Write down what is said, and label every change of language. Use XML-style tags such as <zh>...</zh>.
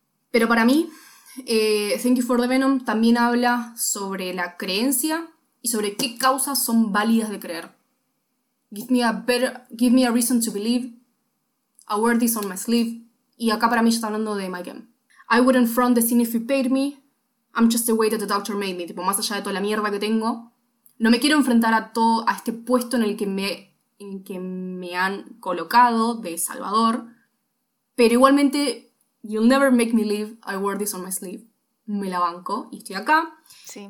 <es>Pero para mí, Thank You for the Venom también habla sobre la creencia y sobre qué causas son válidas de creer.</es> <en>Give me a reason to believe. I wear this on my sleeve.</en> <es>Y acá para mí ya está hablando de My Game.</es> <en>I wouldn't front the scene if you paid me. I'm just the way that the doctor made me.</en> <es>Tipo, más allá de toda la mierda que tengo, no me quiero enfrentar a todo, a este puesto en el que me han colocado de salvador, pero igualmente</es> <en>you'll never make me leave, I wear this on my sleeve.</en> <es>Me la banco y estoy acá. Sí.</es>